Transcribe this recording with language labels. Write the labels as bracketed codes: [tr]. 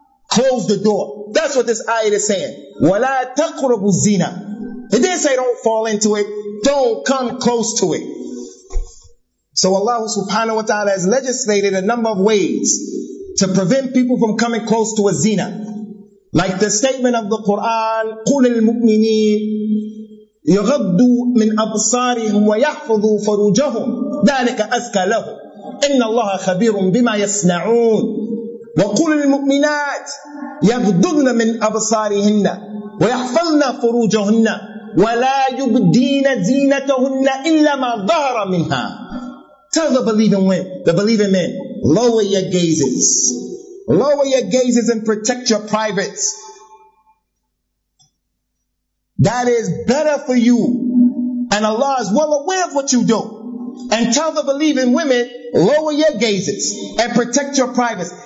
[en] Close the door. That's what this ayah is saying. [ar] وَلَا تَقْرَبُ الزِّنَا. [en] It didn't say don't fall into it. Don't come close to it. So Allah subhanahu wa ta'ala has legislated a number of ways to prevent people from coming close to a zina. Like the statement of the Quran, [ar] قُلِ الْمُؤْمِنِينَ يَغَضُّوا مِنْ أَبْصَارِهِمْ وَيَحْفَظُوا فُرُوجَهُمْ ذَلِكَ أَزْكَى لَهُمْ إِنَّ اللَّهَ خَبِيرٌ بِمَا يَصْنَعُونَ وَقُلِ الْمُؤْمِنَاتِ يَغْضُضْنَ مِنْ أَبْصَارِهِنَّ وَيَحْفَظْنَ فُرُوجَهُنَّ وَلَا يُبْدِينَ زِينَتَهُنَّ إِلَّا مَا ظَهَرَ مِنْهَا. [en] Tell the believing men, lower your gazes. Lower your gazes and protect your privates. That is better for you. And Allah is well aware of what you do. And tell the believing women, lower your gazes and protect your privates.